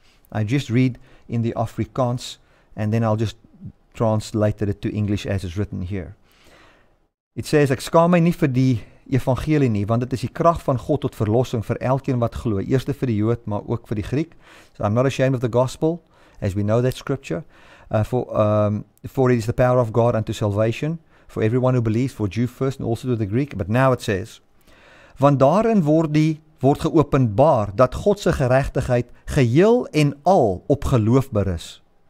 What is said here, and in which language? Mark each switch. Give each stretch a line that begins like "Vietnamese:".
English: I just read in the Afrikaans, and then I'll just translate it to English as it's written here. It says,
Afrikaans: ek skaam nie vir die evangelie nie, want dit is die krag van God tot verlossing vir elkeen wat glo, eerste vir die Jood, maar ook vir die Griek.
English: So I'm not ashamed of the gospel, as we know that scripture. For it is the power of God unto salvation, for everyone who believes, for Jew first and also to the Greek. But now it says,
Afrikaans: want daarin word geopenbaar dat God se geregtigheid geheel en al op geloof berus.